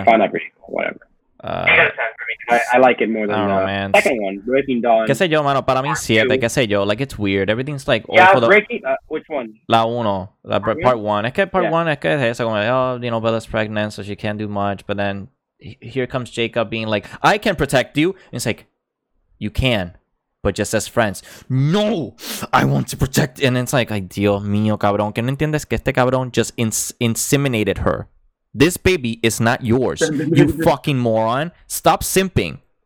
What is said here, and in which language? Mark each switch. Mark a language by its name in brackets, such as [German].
[English] I found that pretty cool, whatever. I like it more than second one, Breaking Dawn. [Spanish] Qué sé yo, mano, para mí siete, qué sé yo. [English] Like, it's weird. Everything's like... Yeah, awful. Which one? [Spanish] La uno. [English] Part one. [Spanish] Es que [English] part one, [Spanish] es que es eso. [English] Como, oh, you know, Bella's pregnant, so she can't do much. But then here comes Jacob being like, I can protect you. And it's like, you can, but just as friends. No, I want to protect. And it's like, [Spanish] ay, Dios mío, cabrón. ¿Qué no entiendes que este cabrón [English] just inseminated her? This baby is not yours, you fucking moron. Stop simping.